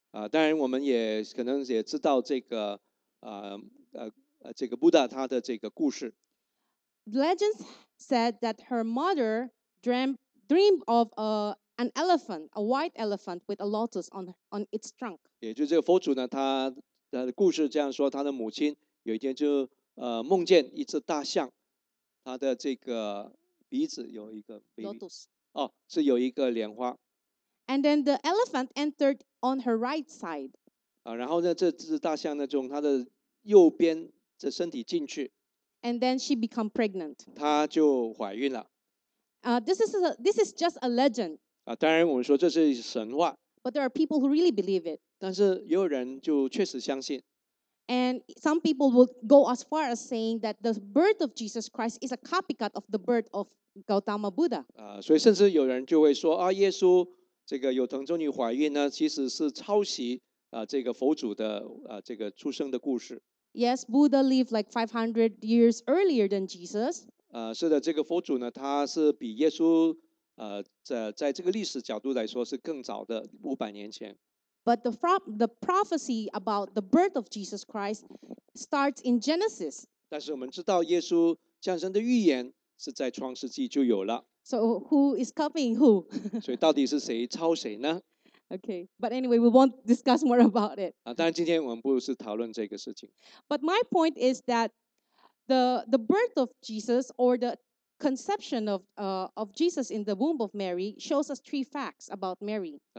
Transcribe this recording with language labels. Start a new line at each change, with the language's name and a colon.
Chinese: 当然我们也可能也知道这个这个 Buddha 他的这个故事。
English: Legends said that her mother dreamed of an elephant, a white elephant with a lotus on its trunk.
Chinese: 也就是这个佛祖呢，他的故事这样说，他的母亲有一天就梦见一只大象，他的这个鼻子有一个
English: lotus。
Chinese: 是有一个莲花。
English: And then the elephant entered on her right side.
Chinese: 然后呢，这只大象呢，从她的右边的身体进去。
English: And then she became pregnant.
Chinese: 她就怀孕了。
English: This is just a legend.
Chinese: 当然我们说这是神话。
English: But there are people who really believe it.
Chinese: 但是也有人就确实相信。
English: And some people will go as far as saying that the birth of Jesus Christ is a copycat of the birth of Gautama Buddha.
Chinese: 所以甚至有人就会说耶稣这个有童贞女怀孕呢，其实是抄袭这个佛祖的这个出生的故事。
English: Yes, Buddha lived like 500 years earlier than Jesus.
Chinese: 是的，这个佛祖呢，他是比耶稣在这个历史角度来说是更早的500年前。
English: But the prophecy about the birth of Jesus Christ starts in Genesis.
Chinese: 但是我们知道耶稣降生的预言是在创世纪就有了。
English: So who is copying who?
Chinese: 所以到底是谁抄谁呢？
English: Okay, but anyway, we won't discuss more about it.
Chinese: 当然今天我们不是讨论这个事情。
English: But my point is that the birth of Jesus or the conception of Jesus in the womb of Mary shows us three facts about Mary.